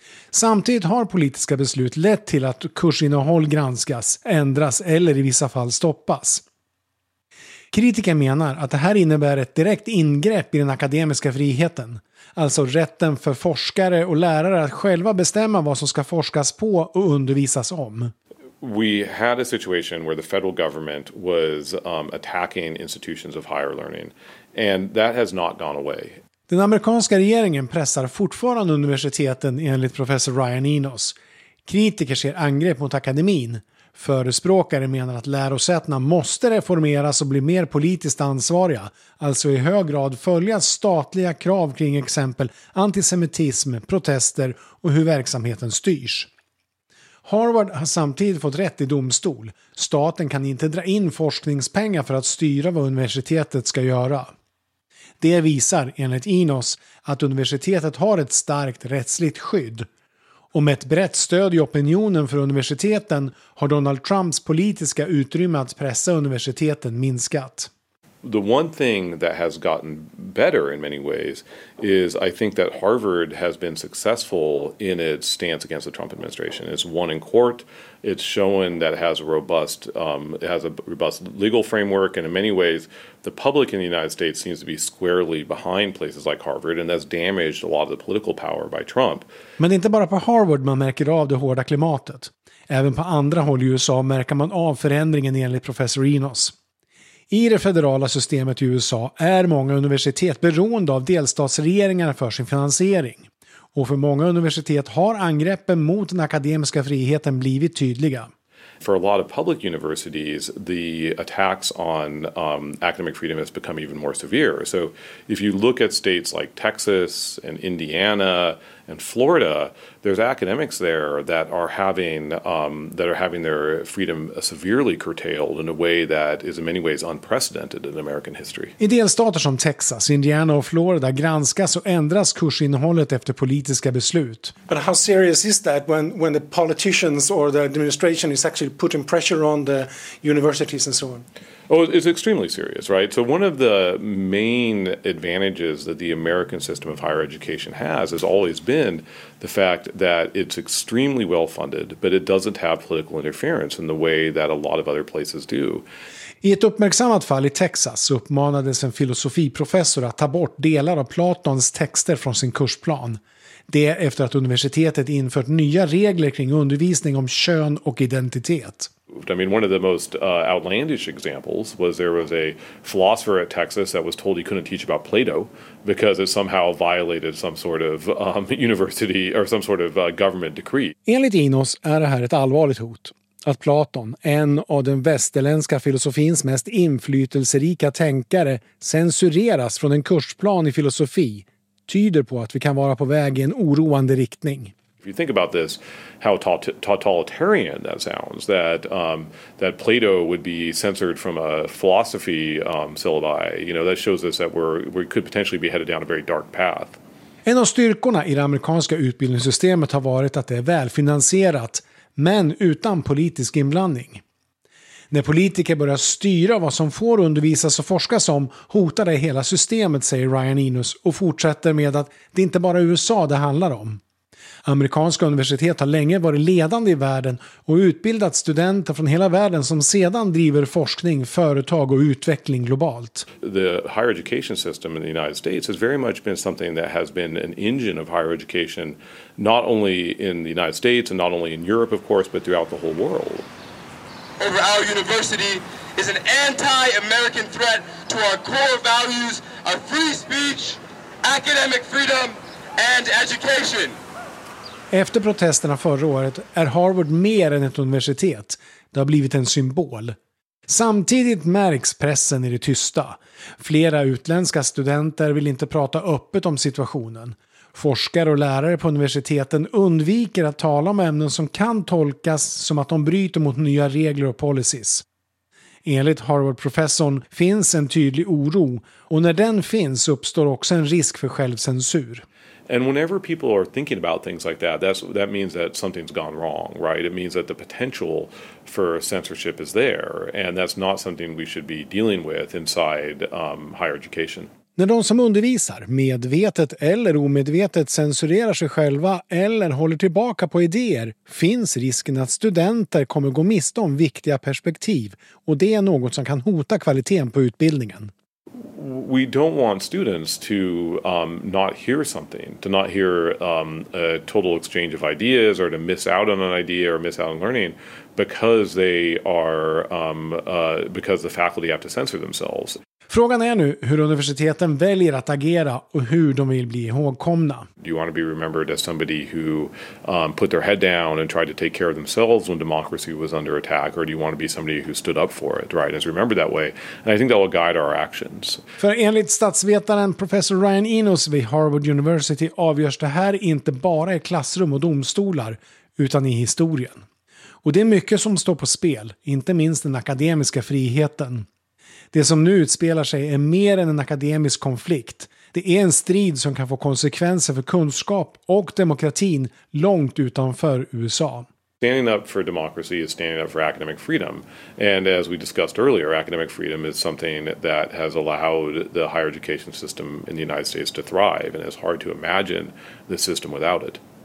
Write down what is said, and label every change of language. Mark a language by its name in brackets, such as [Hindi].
[Swedish] Samtidigt har politiska beslut lett till att kursinnehåll granskas, ändras eller i vissa fall stoppas. Kritiker menar att det här innebär ett direkt ingrepp i den akademiska friheten, alltså rätten för forskare och lärare att själva bestämma vad som ska forskas på och undervisas om. [English] We had a situation where the federal government was attacking institutions of higher learning, and that has not gone away. [Swedish] Den amerikanska regeringen pressar fortfarande universiteten, enligt professor Ryan Enos. Kritiker ser angrepp mot akademin. Förespråkare menar att lärosätena måste reformeras och bli mer politiskt ansvariga, alltså i hög grad följa statliga krav kring exempel antisemitism, protester och hur verksamheten styrs. Harvard har samtidigt fått rätt i domstol. Staten kan inte dra in forskningspengar för att styra vad universitetet ska göra. Det visar, enligt Enos, att universitetet har ett starkt rättsligt skydd. Och med ett brett stöd i opinionen för universiteten har Donald Trumps politiska utrymme att pressa universiteten minskat. [English] The one thing that has gotten better in many ways is I think that Harvard has been successful in its stance against the Trump administration. It's won in court. It's shown that it has a robust legal framework, and in many ways the public in the United States seems to be squarely behind places like Harvard, and that's damaged a lot of the political power by Trump. [Swedish] Men inte bara på Harvard man märker av det hårda klimatet. Även på andra håll i USA märker man av förändringen, enligt professor Enos. I det federala systemet i USA är många universitet beroende av delstatsregeringarna för sin finansiering. Och för många universitet har angreppen mot den akademiska friheten blivit tydliga. [English] For a lot of public universities, the attacks on academic freedom has become even more severe. So if you look at states like Texas and Indiana and Florida, there's academics there that are having their freedom severely curtailed in a way that is in many ways unprecedented in American history. [Swedish] I delstater som Texas, Indiana och Florida granskas och ändras kursinnehållet efter politiska beslut. [English] But how serious is that when the politicians or the administration is actually putting pressure on the universities and so on? Oh, it's extremely serious, right? So one of the main advantages that the American system of higher education has always been the fact that it's extremely well-funded, but it doesn't have political interference in the way that a lot of other places do. [Swedish] I ett uppmärksammat fall i Texas uppmanades en filosofiprofessor att ta bort delar av Platons texter från sin kursplan. Det efter att universitetet infört nya regler kring undervisning om kön och identitet. [English] I mean, one of the most outlandish examples was there was a philosopher at Texas that was told he couldn't teach about Plato because it somehow violated some sort of university or some sort of government decree. [Swedish] Enligt Inos är det här ett allvarligt hot. Att Platon, en av den västerländska filosofins mest inflytelserika tänkare, censureras från en kursplan i filosofi tyder på att vi kan vara på väg i en oroande riktning. [English] If you think about this, how totalitarian that sounds, that that Plato would be censored from a philosophy syllabi, you know, that shows us that we could potentially be headed down a very dark path. [Swedish] En av styrkorna i det amerikanska utbildningssystemet har varit att det är välfinansierat, men utan politisk inblandning. När politiker börjar styra vad som får undervisas och forskas om hotar det hela systemet, säger Ryan Enos, och fortsätter med att det inte bara USA det handlar om. Amerikanska universitet har länge varit ledande i världen och utbildat studenter från hela världen som sedan driver forskning, företag och utveckling globalt. [English] The higher education system in the United States has very much been something that has been an engine of higher education, not only in the United States and not only in Europe of course, but throughout the whole world. Over our university is an anti-American threat to our core values of free speech, academic freedom and education. [Swedish] Efter protesterna förra året är Harvard mer än ett universitet. Det har blivit en symbol. Samtidigt märks pressen i det tysta. Flera utländska studenter vill inte prata öppet om situationen. Forskare och lärare på universiteten undviker att tala om ämnen som kan tolkas som att de bryter mot nya regler och policies. Enligt Harvard-professorn finns en tydlig oro, och när den finns uppstår också en risk för självcensur. [English] And whenever people are thinking about things like that, that means that something's gone wrong, right? It means that the potential for censorship is there, and that's not something we should be dealing with inside higher education. [Swedish] När de som undervisar, medvetet eller omedvetet, censurerar sig själva eller håller tillbaka på idéer, finns risken att studenter kommer gå miste om viktiga perspektiv, och det är något som kan hota kvaliteten på utbildningen. [English] We don't want students to not hear something, to not hear a total exchange of ideas or to miss out on an idea or miss out on learning because they are because the faculty have to censor themselves. [Swedish] Frågan är nu hur universiteten väljer att agera och hur de vill bli ihågkomna. [English] Do you want to be remembered as somebody who put their head down and tried to take care of themselves when democracy was under attack, or do you want to be somebody who stood up for it, right? And is remembered that way. And I think that will guide our actions. [Swedish] För enligt statsvetaren professor Ryan Enos vid Harvard University avgörs det här inte bara i klassrum och domstolar, utan i historien. Och det är mycket som står på spel, inte minst den akademiska friheten. Det som nu utspelar sig är mer än en akademisk konflikt. Det är en strid som kan få konsekvenser för kunskap och demokratin långt utanför USA. [English] Standing up for democracy is standing up for academic freedom. And as we discussed earlier, academic freedom is something that has allowed the higher education system in the United States to thrive, and it's hard to imagine the system without it.